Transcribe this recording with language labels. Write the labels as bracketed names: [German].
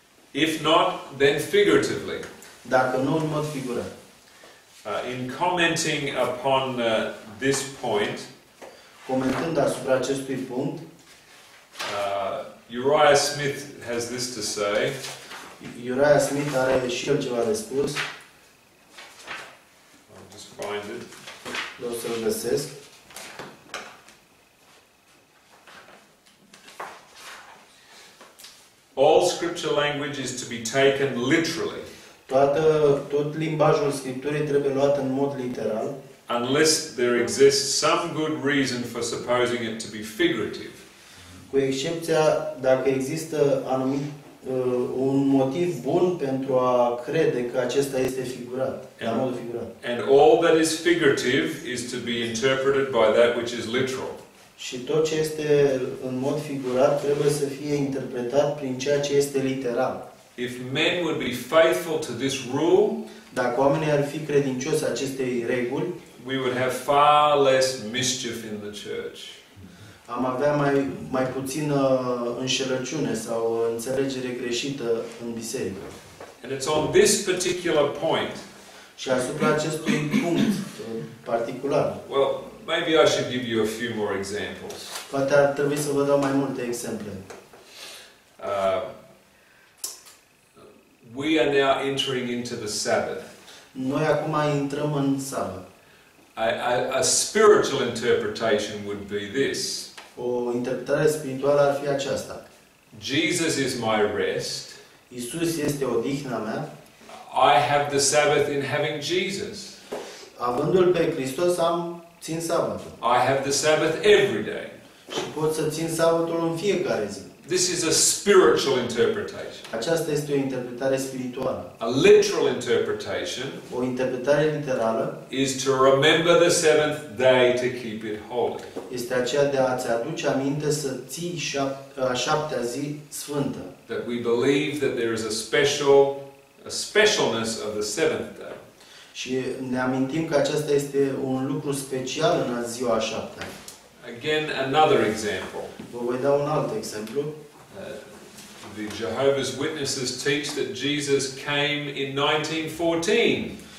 [English] If not, then figuratively. [Romanian] Dacă nu, în mod figurat. [English] In commenting upon this point, [Romanian] comentând asupra acestui punct, [English] Uriah Smith has this to say. [Romanian] Uriah Smith are și el ceva de spus. [English] I'll just find it. [Romanian] O să-l găsesc. [English] All scripture language is to be taken literally. [Romanian] Tot limbajul scripturii trebuie luat în mod literal. [English] Unless there exists some good reason for supposing it to be figurative. [Romanian] Cu excepția dacă există anumit un motiv bun pentru a crede că acesta este figurat, la mod figurat. [English] And all that is figurative is to be interpreted by that which is literal. [Romanian] Și tot ce este în mod figurat trebuie să fie interpretat prin ceea ce este literal. [English] If men would be faithful to this rule, [Romanian] dacă oamenii ar fi credincioși acestei reguli, [English] we would have far less mischief in the church. [Romanian] Am avea mai puțină înșelăciune sau înțelegere greșită în biserică. [English] And it's on this particular point. [Romanian] Și asupra acestui punct particular. [English] Well, maybe I should give you a few more examples. [Romanian] Poate ar trebui să vă dau mai multe exemple. [English] We are now entering into the Sabbath. [Romanian] Noi acum intrăm în Sabbat. [English] A spiritual interpretation would be this. [Romanian] O interpretare spirituală ar fi aceasta. [English] Jesus is my rest. [Romanian] Iisus este odihna mea. [English] I have the Sabbath in having Jesus. [Romanian] Avându-l pe Hristos, țin sabatul. [English] I have the Sabbath every day. [Romanian] Și pot să țin sabatul în fiecare zi. [English] This is a spiritual interpretation. [Romanian] Aceasta este o interpretare spirituală. [English] A literal interpretation, [Romanian] o interpretare literală, [English] is to remember the seventh day to keep it holy. [Romanian] Este aceea de a-ți aduce aminte să ții a șaptea zi sfântă. [English] That we believe that there is a specialness of the seventh day. [Romanian] Și ne amintim că aceasta este un lucru special în a ziua a șaptea. [English] Again, another example. [Romanian] Vă voi da un alt exemplu. [English] The Jehovah's Witnesses teach that Jesus came in 1914.